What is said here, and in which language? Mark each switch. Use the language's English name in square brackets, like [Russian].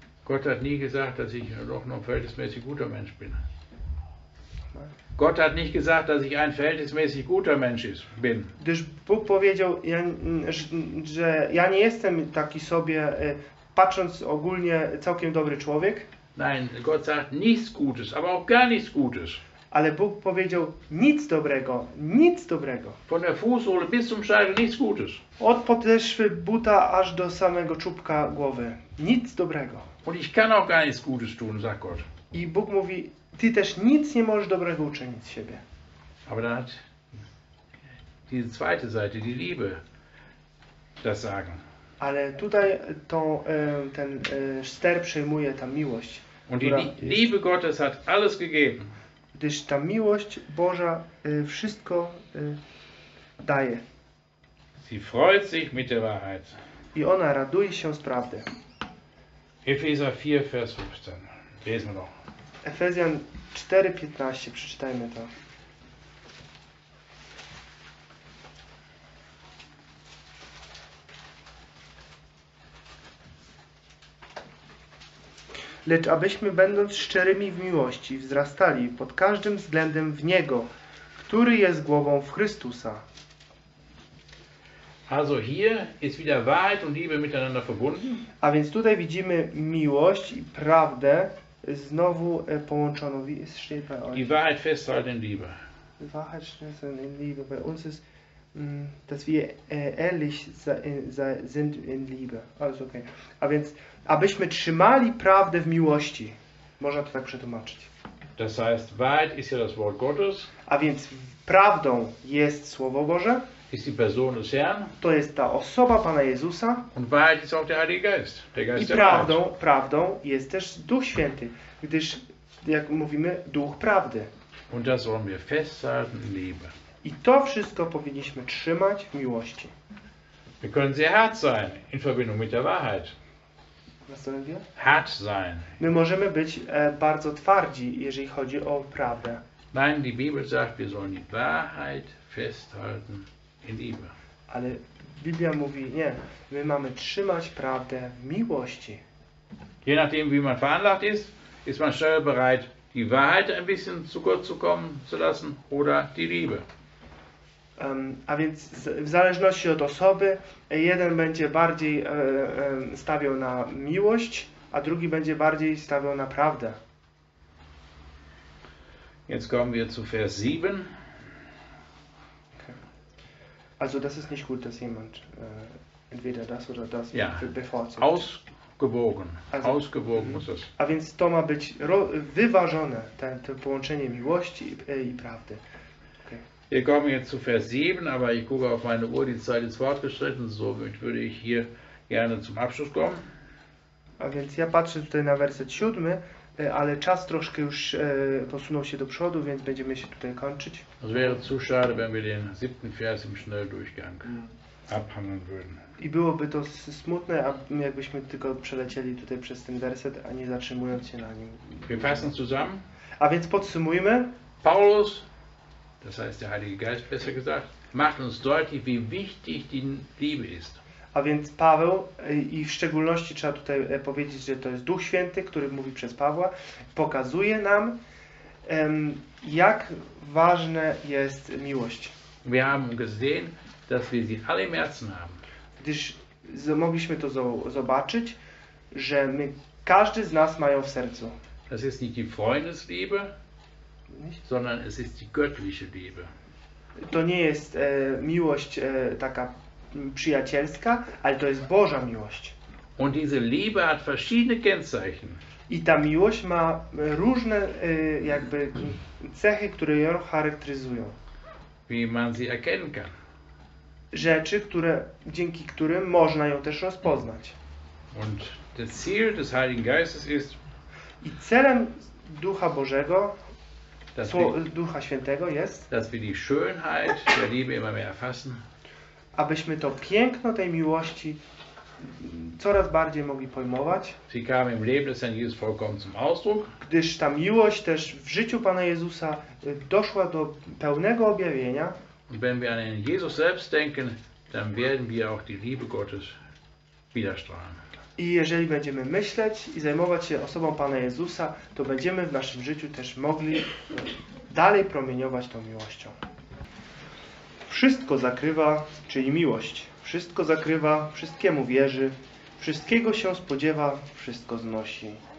[German] Gott hat nie gesagt, dass ich doch noch verhältnismäßig guter Mensch bin. Gott hat nicht gesagt, dass ich ein verhältnismäßig guter Mensch bin. [Polish] Gdyż Bóg powiedział, że ja nie jestem taki sobie, patrząc ogólnie, całkiem dobry człowiek. [German] Nein, Gott sagt nichts Gutes, aber auch gar nichts Gutes. [Polish] Ale Bóg powiedział nic dobrego, nic dobrego. [German] Von der Fußsohle bis zum Scheitel nichts Gutes. [Polish] Od podeszwy buta aż do samego czubka głowy, nic dobrego. [German] Und ich kann auch gar nichts Gutes tun, sagt Gott. [Polish] I Bóg mówi, ty też nic nie możesz dobrego uczynić z siebie. [German] Aber dann hat die zweite Seite, die Liebe, das sagen. [Polish] Ale tutaj to, ten ster przejmuje ta miłość. [German] Und die Liebe Gottes hat alles gegeben. [Polish] Gdyż ta miłość Boża wszystko daje. [German] Sie freut sich mit der Wahrheit. [Polish] I ona raduje się z prawdy. [German] Efezjan 4, vers 15. Lesen wir noch. [Polish] Efezjan 4, 15. Przeczytajmy to. Lecz abyśmy, będąc szczerymi w miłości, wzrastali pod każdym względem w Niego, który jest głową w Chrystusa. [German] Also hier ist wieder Wahrheit und Liebe miteinander verbunden. [Polish] A więc tutaj widzimy miłość i prawdę znowu połączoną. [German] Wie ist steht bei euch? Die Wahrheit festhalten in Liebe. Die Wahrheit festhalten in Liebe. Bei uns ist, dass wir ehrlich sind in Liebe. Also okay. [Polish] A więc abyśmy trzymali prawdę w miłości. Można to tak przetłumaczyć. [German] Das heißt, Wahrheit ist ja das Wort Gottes. [Polish] A więc prawdą jest Słowo Boże. [German] Ist die Person des Herrn. [Polish] To jest ta osoba Pana Jezusa. [German] Und Wahrheit ist auch der Heilige Geist. Der Geist [Polish] i prawdą, prawdą jest też Duch Święty. Gdyż, jak mówimy, Duch Prawdy. [German] Und das sollen wir festhalten in Liebe. [Polish] I to wszystko powinniśmy trzymać w miłości. [German] Wir können sehr hart sein in Verbindung mit der Wahrheit. Hart sein. [Polish] My możemy być bardzo twardzi, jeżeli chodzi o prawdę. [German] Nein, die Bibel sagt, wir sollen die Wahrheit festhalten in Liebe. [Polish] Ale Biblia mówi, nie, my mamy trzymać prawdę w miłości. [German] Je nachdem, wie man veranlagt ist, ist man schnell bereit, die Wahrheit ein bisschen zu kurz zu kommen zu lassen oder die Liebe. [Polish] A więc w zależności od osoby, jeden będzie bardziej stawiał na miłość, a drugi będzie bardziej stawiał na prawdę. [German] Jetzt kommen wir zu Vers 7. [English] Okay. [German] Also das ist nicht gut, dass jemand entweder das oder das ja bevorzugt. Ausgewogen. Also, ausgewogen muss es. [Polish] A więc to ma być wyważone, to połączenie miłości i prawdy. [German] Wir kommen jetzt zu Vers 7, aber ich gucke auf meine Uhr, die Zeit ist fortgeschritten, somit würde ich hier gerne zum Abschluss kommen. [Polish] A więc ja patrzę tutaj na werset 7, ale czas troszkę już posunął się do przodu, więc będziemy się tutaj kończyć. [German] Es wäre zu schade, wenn wir den 7. Vers im Schnelldurchgang abhandeln würden. [Polish] I byłoby to smutne, jakbyśmy tylko przelecieli tutaj przez ten werset, a nie zatrzymując się na nim. [German] Wir fassen zusammen. [Polish] A więc podsumujmy. [German] Paulus, das heißt der Heilige Geist besser gesagt, macht uns deutlich, wie wichtig die Liebe ist. [Polish] A więc Paweł, i w szczególności trzeba tutaj powiedzieć, że to jest Duch Święty, który mówi przez Pawła, pokazuje nam, jak ważne jest miłość. [German] Wir haben gesehen, dass wir sie alle im Herzen haben. [Polish] Gdyż mogliśmy to zobaczyć, że my, każdy z nas ma ją w sercu. [German] Das ist nicht die Freundesliebe, nicht? Sondern es ist die göttliche Liebe. [Polish] To nie jest miłość taka przyjacielska, ale to jest Boża miłość. [German] Und diese Liebe hat verschiedene Kennzeichen. [Polish] I ta miłość ma różne jakby cechy, które ją charakteryzują. [German] Wie man sie erkennen kann. [Polish] Rzeczy, które, dzięki którym można ją też rozpoznać. [German] Und der Ziel des Heiligen Geistes ist, [Polish] i celem Ducha Bożego, Ducha Świętego jest, [German] dass wir die Schönheit der Liebe immer mehr erfassen, [Polish] abyśmy to piękno tej miłości coraz bardziej mogli pojmować. [German] Sie kam im Leben des Herrn Jesus vollkommen zum Ausdruck. [Polish] Gdyż ta miłość też w życiu Pana Jezusa doszła do pełnego objawienia. [German] Und wenn wir an den Jesus selbst denken, dann werden wir auch die Liebe Gottes widerstrahlen. [Polish] I jeżeli będziemy myśleć i zajmować się osobą Pana Jezusa, to będziemy w naszym życiu też mogli dalej promieniować tą miłością. Wszystko zakrywa, czyli miłość. Wszystko zakrywa, wszystkiemu wierzy, wszystkiego się spodziewa, wszystko znosi.